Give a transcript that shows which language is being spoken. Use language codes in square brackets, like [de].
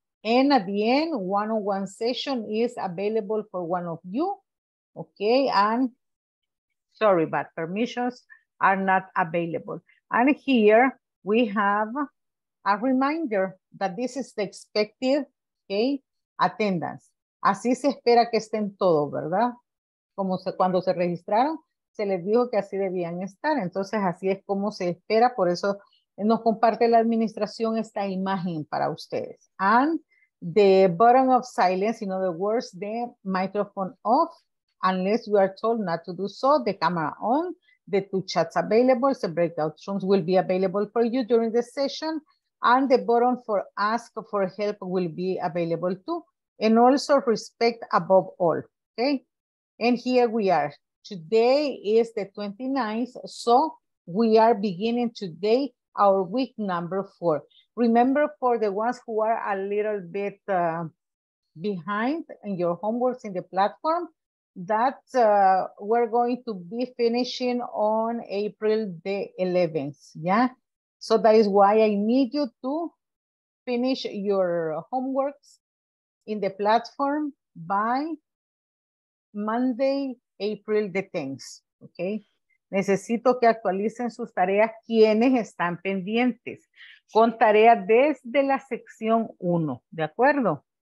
[en] And at the end, one-on-one session is available for one of you, okay? And sorry, but permissions are not available. And here we have a reminder that this is the expected, okay, attendance. [es] Así se espera que estén todos, ¿verdad? Como se, cuando se registraron, se les dijo que así debían estar. Entonces, así es como se espera. Por eso nos comparte la administración esta imagen para ustedes. [en] And the button of silence, in other words, the microphone off, unless you are told not to do so, the camera on, the two chats available, the breakout rooms will be available for you during the session, and the button for ask for help will be available too. And also respect above all, okay? And here we are. Today is the 29th, so we are beginning today our week number 4. Remember, for the ones who are a little bit behind in your homeworks in the platform, that we're going to be finishing on April the 11th, yeah? So that is why I need you to finish your homeworks in the platform by Monday, April the 10th, okay? [es] Necesito que actualicen sus tareas quienes están pendientes con tareas desde la sección 1, ¿de acuerdo?